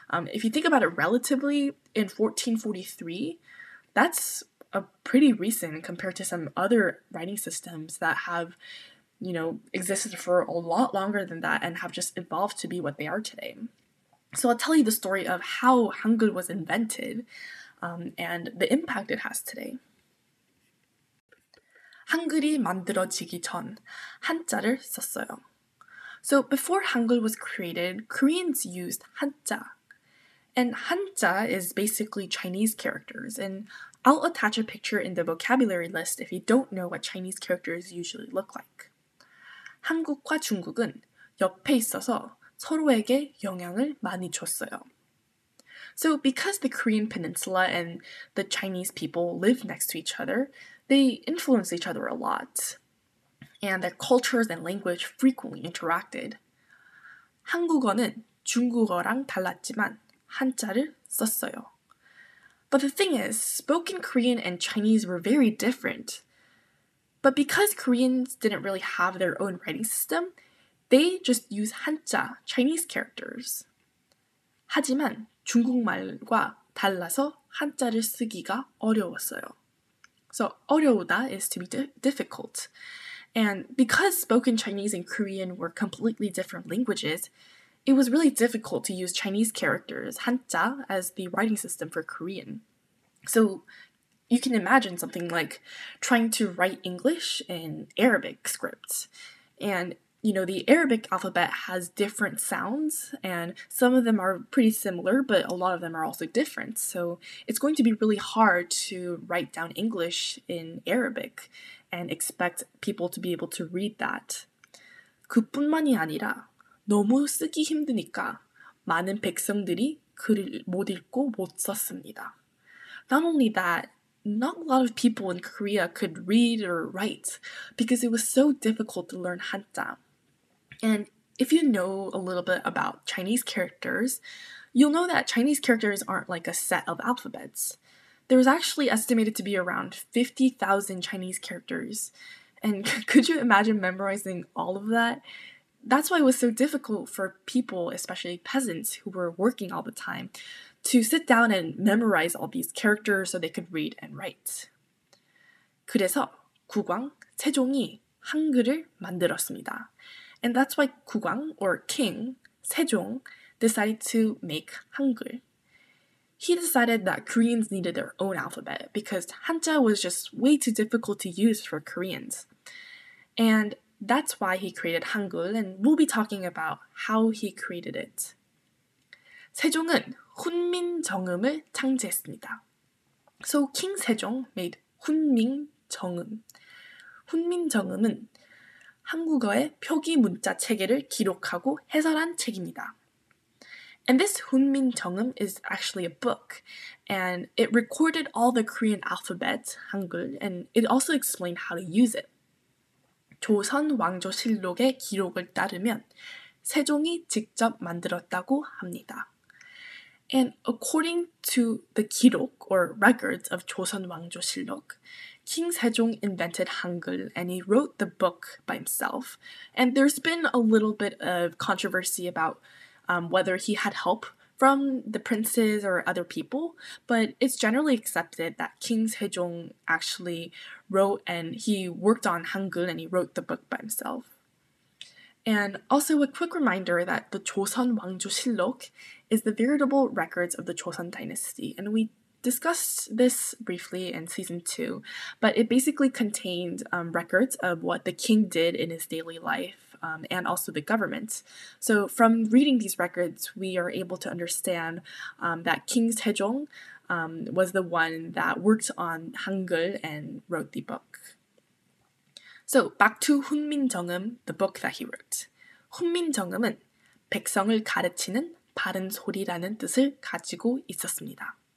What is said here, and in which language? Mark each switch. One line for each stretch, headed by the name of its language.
English: If you think about it relatively, in 1443, that's a pretty recent compared to some other writing systems that have, you know, existed for a lot longer than that and have just evolved to be what they are today. So I'll tell you the story of how Hangul was invented and the impact it has today.
Korean: 한글이 만들어지기 전 한자를 썼어요.
English: So before Hangul was created, Koreans used 한자. And 한자 is basically Chinese characters. And I'll attach a picture in the vocabulary list if you don't know what Chinese characters usually look like.
Korean: 한국과 중국은 옆에 있어서 서로에게 영향을 많이 줬어요.
English: So because the Korean Peninsula and the Chinese people live next to each other, they influence each other a lot, and their cultures and language frequently interacted.
Korean: 한국어는 중국어랑 달랐지만 한자를 썼어요.
English: But the thing is, spoken Korean and Chinese were very different. But because Koreans didn't really have their own writing system, they just used 한자, Chinese characters.
Korean: 하지만 중국말과 달라서 한자를 쓰기가 어려웠어요.
English: So 어려우다 is to be difficult. And because spoken Chinese and Korean were completely different languages, it was really difficult to use Chinese characters, 한자, as the writing system for Korean. So you can imagine something like trying to write English in Arabic script. And, you know, the Arabic alphabet has different sounds, and some of them are pretty similar, but a lot of them are also different. So it's going to be really hard to write down English in Arabic and expect people to be able to read that.
Korean: 그뿐만이 아니라 너무 쓰기 힘드니까 많은 백성들이 글을 못 읽고 못 썼습니다.
English: Not only that, not a lot of people in Korea could read or write because it was so difficult to learn 한자. And if you know a little bit about Chinese characters, you'll know that Chinese characters aren't like a set of alphabets. There was actually estimated to be around 50,000 Chinese characters. And could you imagine memorizing all of that? That's why it was so difficult for people, especially peasants who were working all the time, to sit down and memorize all these characters so they could read and write.
Korean: 그래서 국왕 세종이 한글을 만들었습니다.
English: And that's why 국왕, or king, Sejong, decided to make Hangul. He decided that Koreans needed their own alphabet because 한자 was just way too difficult to use for Koreans. And that's why he created Hangul, and we'll be talking about how he created it.
Korean: 세종은 훈민정음을 창제했습니다.
English: So King Sejong made 훈민정음.
Korean: 훈민정음은 한국어의 표기 문자 체계를 기록하고 해설한 책입니다.
English: And this 훈민정음 is actually a book, and it recorded all the Korean alphabet, Hangul, and it also explained how to use it.
Korean: 조선 왕조 실록의 기록을 따르면 세종이 직접 만들었다고 합니다.
English: And according to the 기록 or records of 조선 왕조 실록, King Sejong invented Hangul and he wrote the book by himself. And there's been a little bit of controversy about whether he had help from the princes or other people, but it's generally accepted that King Sejong actually wrote and he worked on Hangul and he wrote the book by himself. And also a quick reminder that the Joseon Wangju Shilok is the veritable records of the Joseon dynasty, and we discussed this briefly in season 2, but it basically contained records of what the king did in his daily life. And also the government. So from reading these records, we are able to understand that King Sejong was the one that worked on Hangul and wrote the book. So back to 훈민정음, the book that he wrote.
Korean: 훈민정음은 백성을 가르치는 바른 소리라는 뜻을 가지고 있었습니다.